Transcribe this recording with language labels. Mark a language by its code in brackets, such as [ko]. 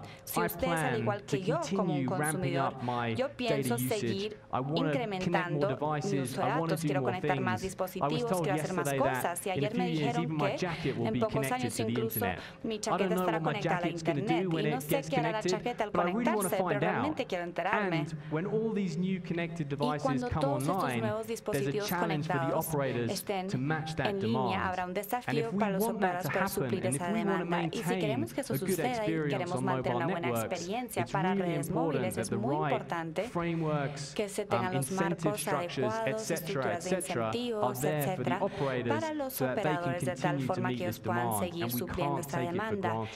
[es] Si ustedes, al igual que yo como un consumidor, yo pienso seguir incrementando mi uso de datos, quiero conectar más dispositivos, quiero hacer más cosas. Y ayer me dijeron que en pocos años incluso mi chaqueta estará conectada a internet, y no sé qué hará la chaqueta al conectarse, pero realmente quiero enterarme. [en] And when all these new connected devices come online, there's a challenge for the operators to match that demand. [es] Habrá un desafío para los operadores para suplir esa demanda. Y si queremos que eso suceda y queremos mantener una buena experiencia para redes móviles, es muy importante que se tengan los marcos adecuados, estructuras de incentivos, etcétera, para los operadores de tal forma que ellos puedan seguir supliendo esta demanda.